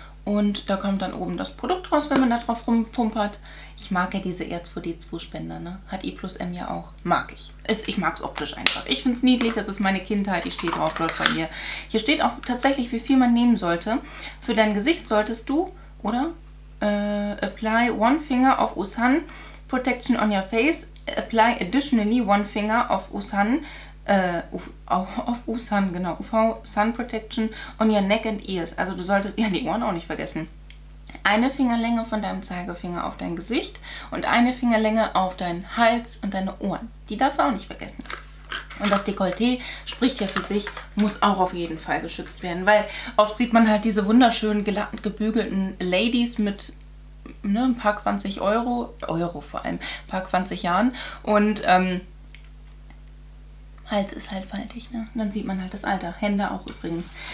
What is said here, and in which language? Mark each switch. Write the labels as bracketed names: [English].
[German] Und da kommt dann oben das Produkt raus, wenn man da drauf rumpumpert. Ich mag ja diese R2D2-Spender, ne? Hat I plus M ja auch. Mag ich. Ich mag es optisch einfach. Ich finde es niedlich, das ist meine Kindheit. Ich stehe drauf, läuft bei mir. Hier steht auch tatsächlich, wie viel man nehmen sollte. Für dein Gesicht solltest du, oder? [English] Apply one finger of Usan Protection on your face. Apply additionally one finger of Usan. [German] Auf U-Sun, genau, [English] UV-Sun Protection on your neck and ears. [German] Also du solltest, ja, die Ohren auch nicht vergessen. Eine Fingerlänge von deinem Zeigefinger auf dein Gesicht und eine Fingerlänge auf deinen Hals und deine Ohren. Die darfst du auch nicht vergessen. Und das Dekolleté spricht ja für sich, muss auch auf jeden Fall geschützt werden, weil oft sieht man halt diese wunderschönen, glatt gebügelten Ladies mit, ne, ein paar 20 Euro, Euro vor allem, ein paar 20 Jahren und, Hals ist halt faltig, ne? Dann sieht man halt das Alter. Hände auch übrigens.